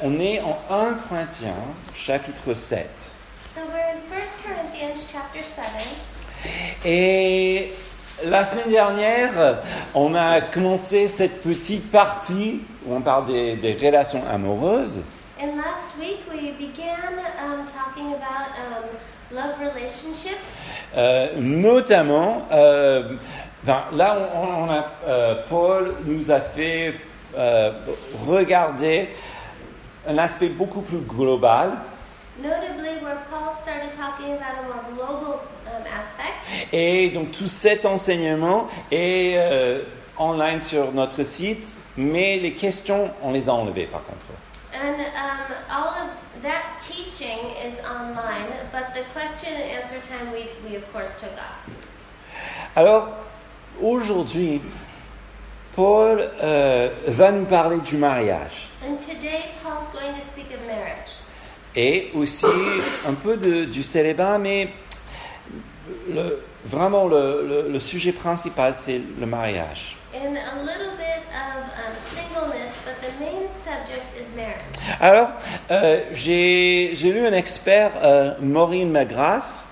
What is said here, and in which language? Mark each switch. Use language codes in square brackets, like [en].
[fr] On est en 1 Corinthiens, chapitre 7. [en] So we're in 1 Corinthians, chapter 7. [fr] Et la semaine dernière, on a commencé cette petite partie où on parle des relations amoureuses. [en] And last week, we began talking about love relationships. [fr] Notamment, là, Paul nous a fait regarder un aspect beaucoup plus global. [en] Notably, where Paul started talking about a more global aspect. [fr] Et donc tout cet enseignement est online sur notre site, mais les questions, on les a enlevées par contre. [en] And all of that teaching is online, but the question and answer time we of course took off. [fr] Alors aujourd'hui, Paul va nous parler du mariage. [en] And today, Paul's going to speak of marriage. [fr] Et aussi un peu du célibat, mais vraiment le sujet principal, c'est le mariage. [en] And a little bit of singleness, but the main subject is marriage. [fr] Alors, j'ai lu un expert, Maureen McGrath.